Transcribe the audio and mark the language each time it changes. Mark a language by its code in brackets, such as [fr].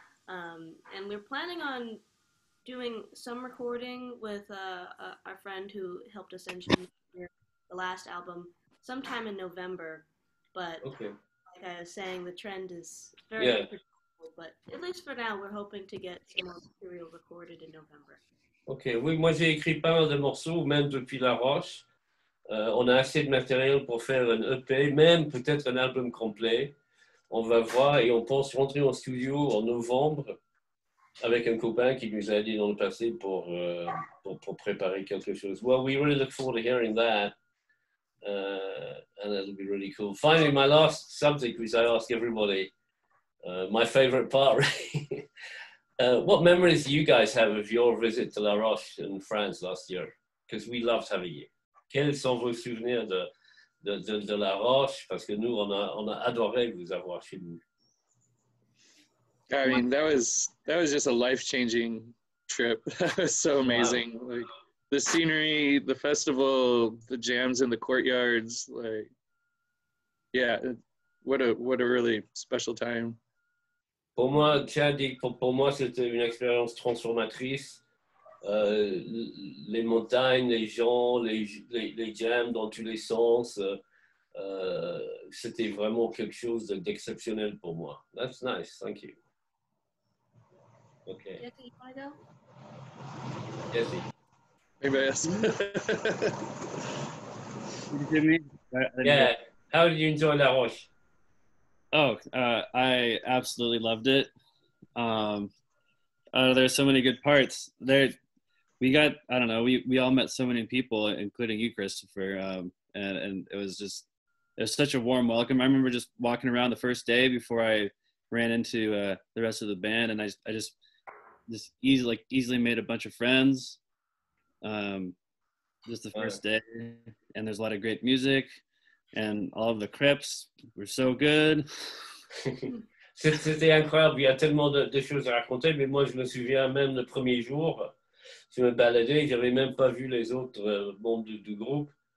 [en] And we're planning on doing some recording with our friend who helped us engineer the last album sometime in November. But okay. Like I was saying, the trend is very predictable, but at least for now, we're hoping to get some more material recorded in November. [fr] Okay, oui, moi j'ai écrit pas mal de morceaux, même depuis La Roche. On a assez de matériel pour faire un EP, même peut-être un album complet. On va voir et on pense rentrer en studio en novembre avec un copain qui nous a aidé dans le passé pour préparer quelque chose. [en] Well, we really look forward to hearing that. And it'll be really cool. Finally, my last subject, which I ask everybody, my favorite part, right? What memories do you guys have of your visit to La Roche in France last year? Because we loved having you. [fr] Quels sont vos souvenirs de La Roche? Parce que nous, on a adoré vous avoir chez nous. [en] I mean, that was just a life-changing trip. So amazing. Wow. Like, the scenery, the festival, the jams in the courtyards, like, yeah, what a really special time. [fr] Pour moi, Chad, pour moi, c'était une expérience transformatrice. Les montagnes, les gens, les jams dans tous les sens. c'était vraiment quelque chose d'exceptionnel pour moi. [en] That's nice, thank you. [fr] Okay. [en] Jesse, you want to go? Jesse. Hey, guys. Yeah, how did you enjoy La Roche? Oh, I absolutely loved it. There's so many good parts. We all met so many people, including you, Christopher, and it was such a warm welcome. I remember just walking around the first day before I ran into the rest of the band, and I just easily made a bunch of friends just the first day. And there's a lot of great music. And all of the crepes were so good. [fr] C'était incroyable. Il y a tellement de choses à raconter. Mais moi, je me souviens même le premier jour, je me baladais. Je n'avais même pas vu les autres membres du groupe.